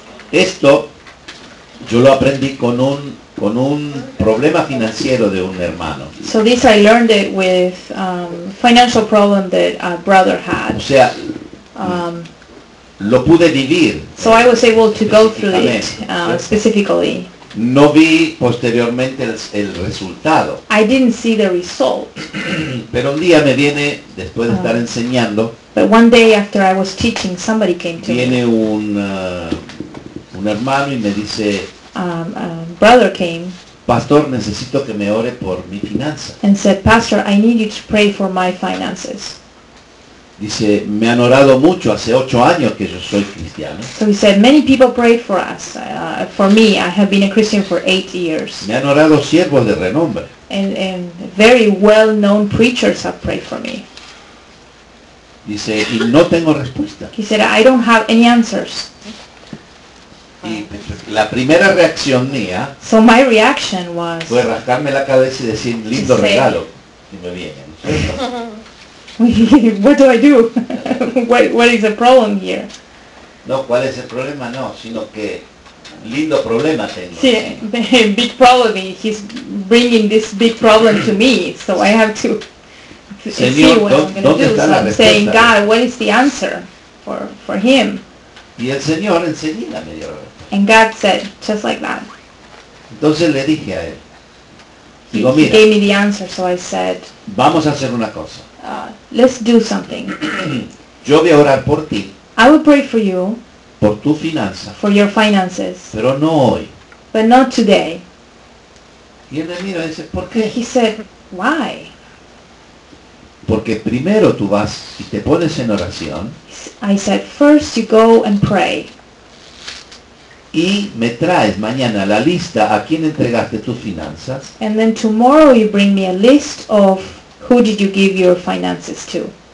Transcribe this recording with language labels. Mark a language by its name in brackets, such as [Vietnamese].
[Spanish] Esto, yo lo aprendí con un problema financiero de un hermano. [English] So this I learned it with financial problem that a brother had. [Spanish] O sea, lo pude vivir. [English] So I was able to go through it specifically. [Spanish] No vi posteriormente el resultado. [English] I didn't see the result. [Spanish] Pero un día me viene, después de estar enseñando. [English] But one day after I was teaching, somebody came to me. [Spanish] Viene un hermano y me dice. [English] Brother came. [Spanish] Pastor, necesito que me ore por mi finanza. [English] And said, Pastor, I need you to pray for my finances. [Spanish] Dice, me han orado mucho hace 8 años que yo soy cristiano. [English] So he said, many people prayed for us. For me, I have been a Christian for 8 years. [Spanish] Me han orado siervos de renombre. [English] And very well-known preachers have prayed for me. [Spanish] Dice, y no tengo respuesta. [English] He said, I don't have any answers. [Spanish] Y la primera reacción mía, [English] so my reaction was, [Spanish] fue rascarme la cabeza y decir, lindo regalo, y me viene, ¿no? [English] What do I do? What is the problem here? [Spanish] No, ¿cuál es el problema? No, sino que lindo problema tengo. [English] Sí, ¿sí? Big problem, he's bringing this big problem to me, so I have to [Spanish] Señor, [English] see what I'm going to do. So I'm saying, God, what is the answer for him? [Spanish] Y el Señor enseguida me dio la respuesta. [English] And God said, just like that. [Spanish] Entonces le dije a él. Digo, [English] he [Spanish] mira, [English] gave me the answer, so I said, [Spanish] vamos a hacer una cosa. [English] Let's do something. [Spanish] Yo voy a orar por ti. [English] I will pray for you. [Spanish] Por tu finanza. [English] For your finances. [Spanish] Pero no hoy. [English] But not today. [Spanish] Y él me mira y dice, ¿por qué? [English] He said, why? [Spanish] Porque primero tú vas y te pones en oración. [English] I said, first you go and pray. [Spanish] Y me traes mañana la lista a quien entregaste tus finanzas. [English] And then tomorrow you bring me a list of who did you give your finances to.